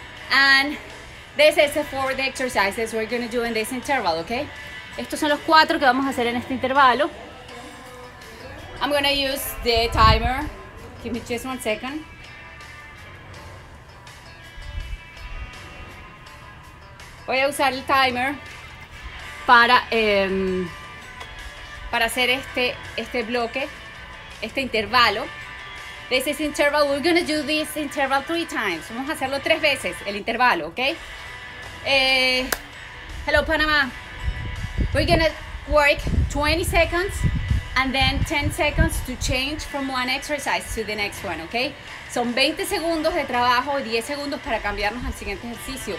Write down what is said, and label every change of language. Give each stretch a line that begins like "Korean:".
English: And this is the 4 exercises we're going to do in this interval, okay?
Spanish: Estos son los 4 que vamos a hacer en este intervalo.
English: I'm going to use the timer. Give me just 1 second.
Spanish: Voy a usar el timer para hacer este bloque, este intervalo.
English: This is interval. We're going to do this interval 3 times.
Spanish: Vamos a hacerlo 3 veces, el intervalo,
English: ¿ok? Hello, Panama. We're going to work 20 seconds and then 10 seconds to change from one exercise to the next one, ¿ok?
Spanish: Son 20 segundos de trabajo y 10 segundos para cambiarnos al siguiente ejercicio.